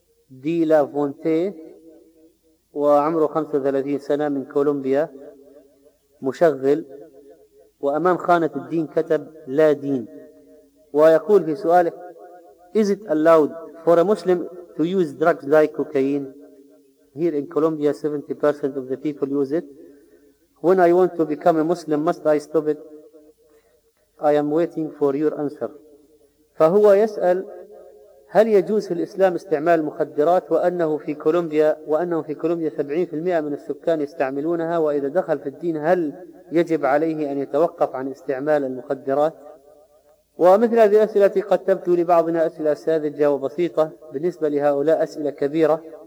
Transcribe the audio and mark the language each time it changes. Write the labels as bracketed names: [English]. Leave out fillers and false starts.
[Arabic] دي لا فونتيه وعمره 35 سنة من كولومبيا مشغل، وأمام خانة الدين كتب لا دين، ويقول في سؤاله [English] Is it allowed for a Muslim to use drugs like cocaine? Here in Colombia 70% of the people use it. When I want to become a Muslim must I stop it? I am waiting for your answer. [Arabic] فهو يسأل هل يجوز في الإسلام استعمال المخدرات، وأنه في كولومبيا 70% من السكان يستعملونها، وإذا دخل في الدين هل يجب عليه أن يتوقف عن استعمال المخدرات؟ ومثل هذه الأسئلة قد تبدو لبعضنا أسئلة ساذجة وبسيطة، بالنسبة لهؤلاء أسئلة كبيرة.